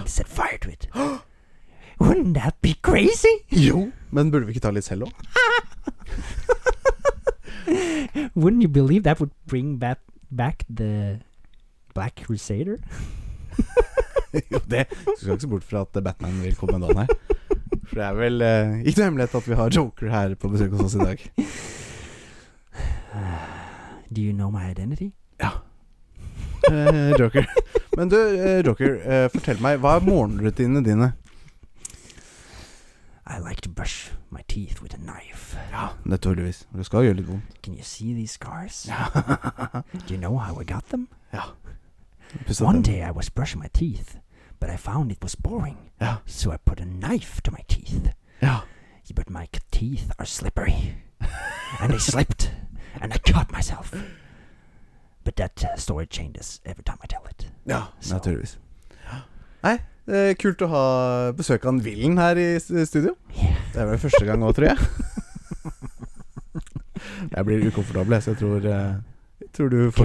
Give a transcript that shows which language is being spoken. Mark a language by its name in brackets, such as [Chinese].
[English] And set fire to it? Wouldn't that be crazy? [Norwegian] Jo, men burde vi ikke ta litt selv også? [English] Wouldn't you believe that would bring back the Black Crusader? [Norwegian] Jo, det skal ikke se bort fra at Batman vil komme en dag her. For det vel ikke noe hemmelighet at vi har Joker her på besøk hos oss i dag. [English] Do you know my identity? [Norwegian] Ja. Joker. Men du, Joker, fortell meg, hva morgenrutinene dine? [English] I like to brush my teeth with a knife. [Norwegian] Ja, naturligvis. Det skal gjøre litt vondt. [English] Can you see these scars? Do you know how I got them? [Norwegian] Ja. [English] One day I was brushing my teeth, but I found it was boring. [Norwegian] Ja. [English] So I put a knife to my teeth. [Norwegian] Ja. [English] But my teeth are slippery. And they slipped, and I cut myself. But that story changes every time I tell it. [Norwegian] Ja, so. Naturligvis. Hei, det er kult å ha besøk av Villen her I studio. [English] Yeah. [Norwegian] Det vel første gang også, tror jeg. Jeg blir ukomfortabel, så jeg tror, tror du får